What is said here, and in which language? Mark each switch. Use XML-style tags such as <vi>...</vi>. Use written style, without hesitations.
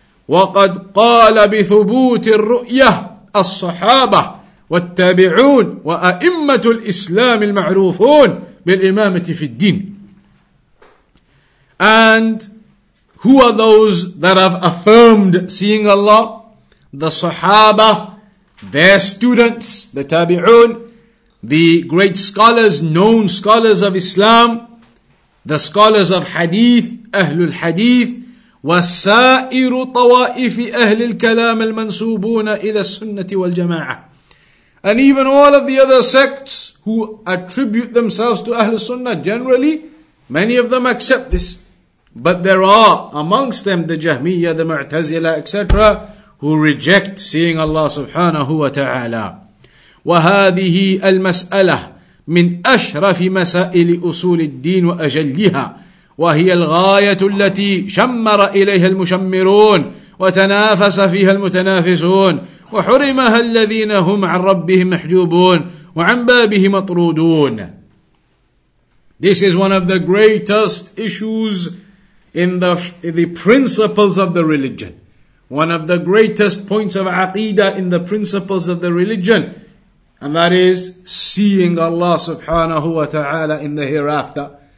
<ar>وَقَدْ قَالَ بِثُبُوتِ الرُّؤْيَةِ الصَّحَابَةِ وَالتَّابِعُونَ وَأَئِمَّةُ الْإِسْلَامِ الْمَعْرُوفُونَ بِالْإِمَامَةِ فِي الدِّينِ</ar> <en>And who are those that have affirmed seeing Allah? The Sahaba, their students, the Tabi'un, the great scholars, known scholars of Islam, the scholars of hadith, Ahlul Hadith,</en> <ar>وسائر طوائف أهل الكلام المنسوبون إلى السنة والجماعة.</ar> <en>And even all of the other sects who attribute themselves to Ahlul Sunnah, generally, many of them accept this. But there are amongst them the Jahmiyyah, the Mu'tazila, etc., who reject seeing Allah subhanahu wa ta'ala.</en> <ar>وهذه المسألة من أشرف مسائل أصول الدين وأجلها وهي الغاية التي شمر إليها المشمرون وتنافس فيها المتنافسون وحرمها الذين هم عن ربهم محجوبون وعن بابه مطرودون.</ar> <en>This is one of the greatest issues in the principles of the religion. One of the greatest points of aqeedah in the principles of the religion. And that is seeing Allah subhanahu wa ta'ala in the hereafter.</en>